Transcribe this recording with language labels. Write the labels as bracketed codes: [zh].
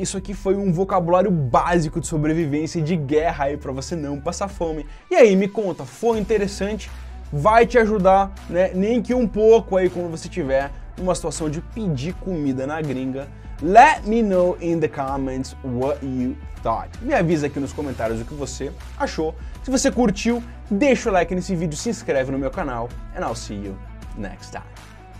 [pt] Isso aqui foi um vocabulário básico de sobrevivência e de guerra aí pra você não passar fome. E aí, me conta, foi interessante? Vai te ajudar, né, nem que um pouco aí quando você tiver numa situação de pedir comida na gringa. [en] Let me know in the comments what you thought. [pt] Me avisa aqui nos comentários o que você achou. Se você curtiu, deixa o like nesse vídeo, se inscreve no meu canal. [en] And I'll see you next time.